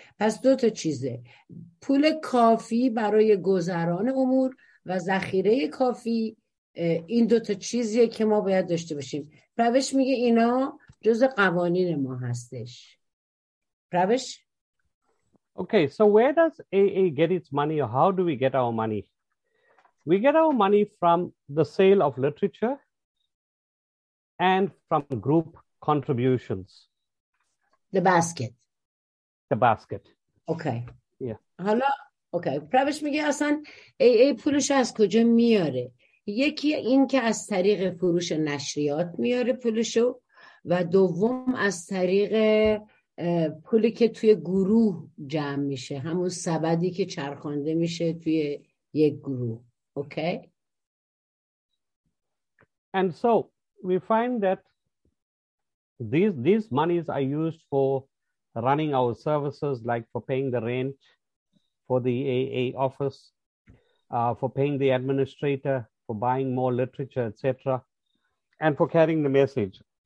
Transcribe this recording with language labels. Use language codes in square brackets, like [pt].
[fa] پس دو تا چیزه، پول کافی برای گذران امور و ذخیره کافی، این دو تا چیزیه که ما باید داشته باشیم. روش میگه اینا جز قوانین ما هستش. روش. [en] Okay, so where does AA get its money, or how do we get our money? We get our money from the sale of literature and from group contributions. The basket. Okay. Yeah. حالا okay. [fa] پروش میگه اصلا AA پولش از کجا میاره؟ یکی این که از طریق فروش نشریات میاره پولشو، و دوم از طریق پولی که توی گروه جمع میشه، همون سبدی که چرخانده میشه توی یک گروه. [en] Okay. And so we find that these monies are used for running our services, like for paying the rent for the AA office, for paying the administrator, for buying more literature, etc., and for carrying the message.